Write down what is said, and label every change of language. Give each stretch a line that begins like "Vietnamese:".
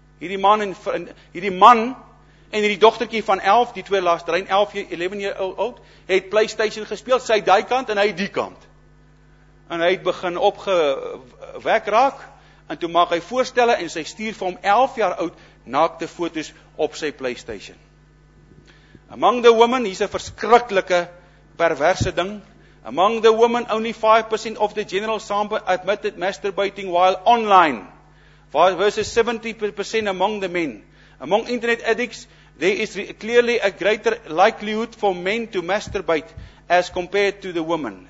Afrikaans: Hierdie man en hierdie dogtertjie van 11, die twee laaste,
English: 11 year old,
Afrikaans: het PlayStation gespeeld, sy die kant en hy die kant. En hy het begin opgewek raak, en toe maak hy voorstelle en sy stuur vir hom 11 jaar oud naakte foto's op sy PlayStation.
English: Among the women,
Afrikaans: hier is een verskriklike perverse ding.
English: Among the women, only 5% of the general sample admitted masturbating while online. Versus 70% among the men. Among internet addicts, there is clearly a greater likelihood for men to masturbate as compared to the women.